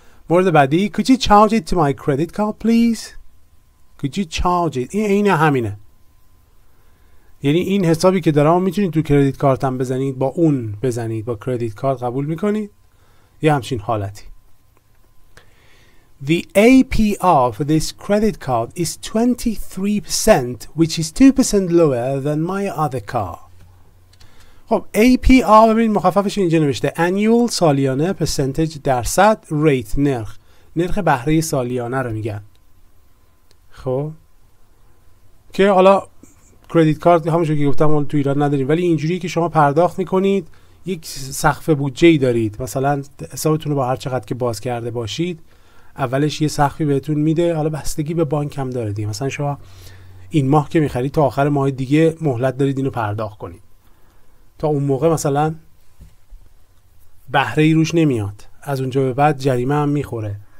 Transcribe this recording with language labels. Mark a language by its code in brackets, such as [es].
[fa] مورد بعدی، [en] could you charge it to my credit card please، could you charge it، [fa] این اینه همینه، یعنی این حسابی که دارم میتونید تو کردیت کارت هم بزنید، با اون بزنید، با کردیت کارت قبول میکنید، یه همچین حالتی. [en] The APR for this credit card is 23%, which is 2% lower than my other car. [fa] خب APR ببینید مخففش اینجا نوشته annual سالیانه percentage درصد rate نرخ نرخ بهره سالیانه رو میگن. خب که حالا کردیت کارت همونجوری که گفتم تو ایران نداریم، ولی اینجوری که شما پرداخت میکنید یک سقف بودجه ای دارید، مثلا حسابتون رو با هر چقدر که باز کرده باشید اولش یه سقفی بهتون میده، حالا بستگی به بانک هم دارید، مثلا شما این ماه که میخرید تا آخر ماه دیگه مهلت دارید اینو پرداخت کنید، تا اون موقع مثلا بهره ای روش نمیاد، از اونجا به بعد جریمه هم میخوره.